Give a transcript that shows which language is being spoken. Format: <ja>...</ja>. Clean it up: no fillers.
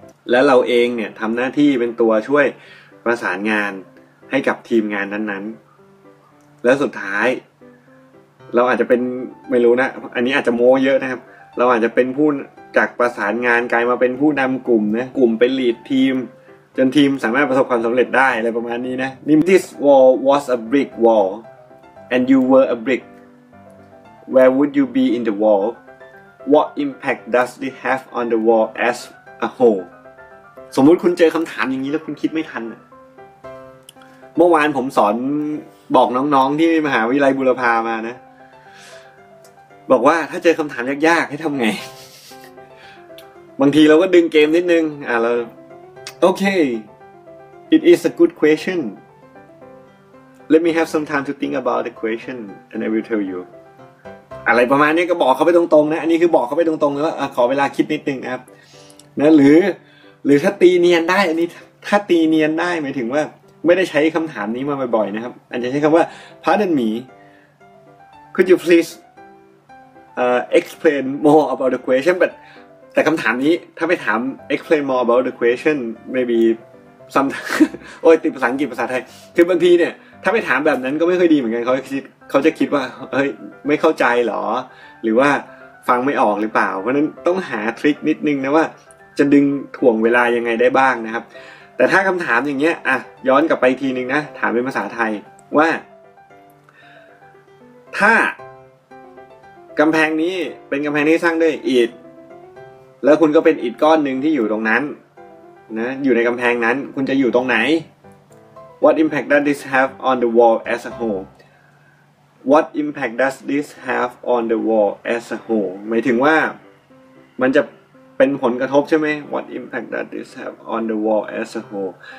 <th>แล้วเราเองเนี่ยทำหน้าที่เป็นตัวช่วยประสานงานให้กับทีมงานนั้นๆแล้วสุดท้ายเราอาจจะเป็นไม่รู้นะอันนี้อาจจะโม้เยอะนะครับเราอาจจะเป็นผู้จากประสานงานกลายมาเป็นผู้นำกลุ่มนะกลุ่มเป็นลีดทีมจนทีมสามารถประสบความสำเร็จได้อะไรประมาณนี้นะ</th> <en>This wall was a brick wall and you were a brick. Where would you be in the wall? What impact does it have on the wall as a whole?</en> <th>สมมุติคุณเจอคำถามอย่างนี้แล้วคุณคิดไม่ทันเมื่อวานผมสอนบอกน้องๆที่มหาวิทยาลัยบูรพามานะบอกว่าถ้าเจอคำถามยากๆให้ทำไง บางทีเราก็ดึงเกมนิดนึงเรา</th> <en>Okay, it is a good question. Let me have some time to think about the question, and I will tell you.</en> <th>อะไรประมาณนี้ก็บอกเขาไปตรงๆนะอันนี้คือบอกเขาไปตรงๆเลยว่าขอเวลาคิดนิดนึงครับนะหรือถ้าตีเนียนได้อันนี้ถ้าตีเนียนได้หมายถึงว่าไม่ได้ใช้คำถามนี้มาบ่อยๆนะครับอาจจะใช้คำว่า</th> <en>Pardon me, could you please explain more about the question, but</en> <th>แต่คำถามนี้ถ้าไปถาม</th> <en>explain more about the question maybe sometimes</en> <th>โอ้ยติดภาษาอังกฤษภาษาไทยคือบางทีเนี่ยถ้าไปถามแบบนั้นก็ไม่เคยดีเหมือนกันเขาจะคิดว่าเฮ้ยไม่เข้าใจหรอหรือว่าฟังไม่ออกหรือเปล่าเพราะนั้นต้องหาทริคนิดนึงนะว่าจะดึงถ่วงเวลายังไงได้บ้างนะครับแต่ถ้าคำถามอย่างเงี้ยอ่ะย้อนกลับไปทีนึงนะถามเป็นภาษาไทยว่า ถ้ากำแพงนี้เป็นกำแพงที่สร้างด้วยอิฐแล้วคุณก็เป็นอิฐก้อนหนึ่งที่อยู่ตรงนั้นนะอยู่ในกำแพงนั้นคุณจะอยู่ตรงไหน</th> <en>What impact does this have on the wall as a whole? What impact does this have on the wall as a whole?</en> <th>หมายถึงว่ามันจะเป็นผลกระทบใช่ไหม</th> <en>What impact does this have on the wall as a whole?</en>